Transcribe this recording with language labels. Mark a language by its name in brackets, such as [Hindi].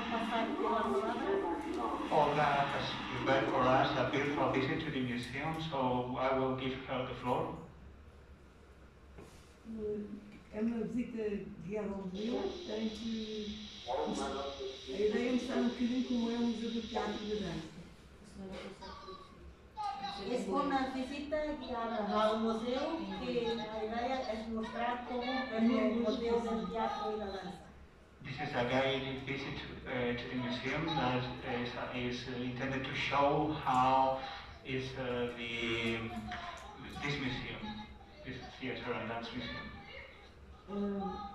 [English] Olga has prepared for us a beautiful visit to the museum, so I will give her the floor. [Portuguese] É uma visita guiada ao museu, tem que... A ideia é mostrar um bocadinho como é o Museu do Teatro da Dança. É uma visita guiada ao museu, que a ideia é mostrar como é o Museu do Teatro da Dança. [English] This is a guided visit to the museum that is intended to show how is this museum, this theater and dance museum.